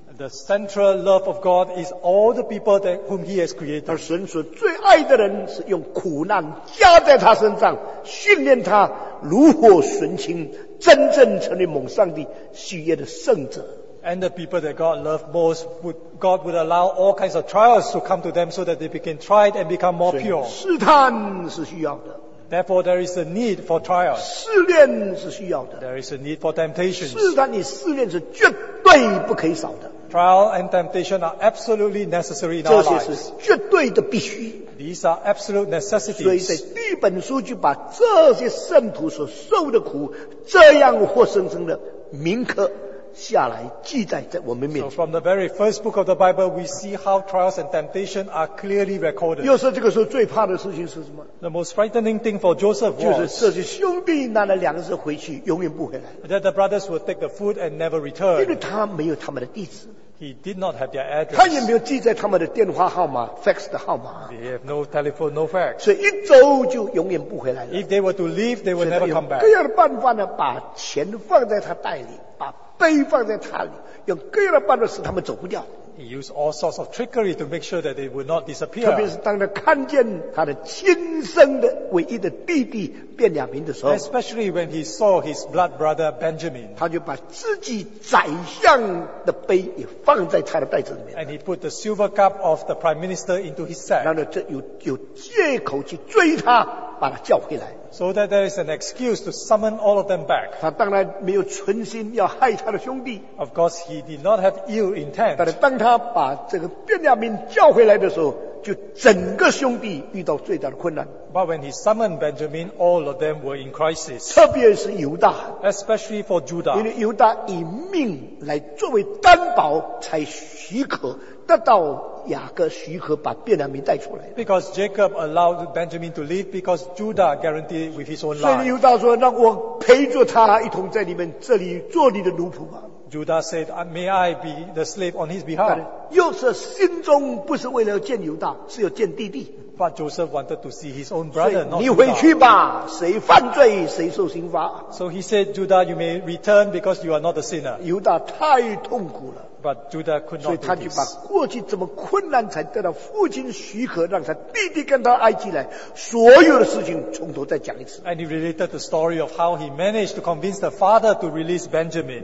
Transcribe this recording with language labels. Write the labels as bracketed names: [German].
[English] The central love of God is all the people that whom He has created. [Chinese] 而神所最爱的人是用苦难加在他身上，训练他如何寻求真正成为蒙上帝喜悦的圣者。 [English] And the people that God loved most, God would allow all kinds of trials to come to them so that they became tried and become more pure. [Chinese] 试探是需要的。 [English] Therefore, there is a need for trials. [Chinese] 试炼是需要的。 [English] There is a need for temptations. [Chinese] 试探与试炼是绝对不可以少的。 [English] Trial and temptation are absolutely necessary in our lives. [Chinese] 这些是绝对的必须。 [English] These are absolute necessities. [Chinese] 所以在第一本书就把这些圣徒所受的苦，这样活生生的铭刻。下来记载在我们面前。 [English] So from the very first book of the Bible, we see how trials and temptation are clearly recorded. [Chinese] 又是这个时候最怕的事情是什么 [English] ？The most frightening thing for Joseph was [Chinese] 就是这些兄弟拿了粮食回去，永远不回来。 [English] That the brothers would take the food and never return. [Chinese] 因为他没有他们的地址。 [English] He did not have their address. [Chinese] 他也没有记载他们的电话号码 ，fax 的号码。 [English] They have no telephone, no fax. [Chinese] 所以一走就永远不回来了。 [English] If they were to leave, they would never come back. [Chinese] 各样的办法呢，把钱放在他袋里。背放在他里，用各样的办法使他们走不掉。 [English] He used all sorts of trickery to make sure that they would not disappear. [Chinese] 特别是当他看见他的亲生的唯一的弟弟便雅悯的时候 [English] ，especially when he saw his blood brother Benjamin， [Chinese] 他就把自己宰相的杯也放在他的袋子里面。 [English] And he put the silver cup of the prime minister into his sack. [Chinese] 然后这有借口去追他，把他叫回来。 [English] So that there is an excuse to summon all of them back. [Chinese] 他当然没有存心要害他的兄弟。 [English] Of course, he did not have ill intent. [Chinese] 但是当他把这个便雅悯叫回来的时候，就整个兄弟遇到最大的困难。 [English] But when he summoned Benjamin, all of them were in crisis. [Chinese] 特别是犹大。 [English] Especially for Judah. [Chinese] 因为犹大以命来作为担保，才许可得到雅各许可把便雅悯带出来。 [English] Because Jacob allowed Benjamin to leave, because Judah guaranteed with his own life. [Chinese] 所以犹大说：“让我陪着他一同在你们这里做你的奴仆吧。” [English] Judah said, "May I be the slave on his behalf?" [Chinese] 又是心中不是为了见犹大，是要见弟弟。 [English] But Joseph wanted to see his own brother, not Judah. [Chinese] 你回去吧，谁犯罪谁受刑罚。 [English] So he said, "Judah, you may return because you are not a sinner." [Chinese] 犹大太痛苦了。 [English] But Judah could not do this. [Chinese] 所以他就把过去这么困难才得到父亲许可，让他弟弟跟到埃及来，所有的事情从头再讲一次。 [English] And he related the story of how he managed to convince the father to release Benjamin.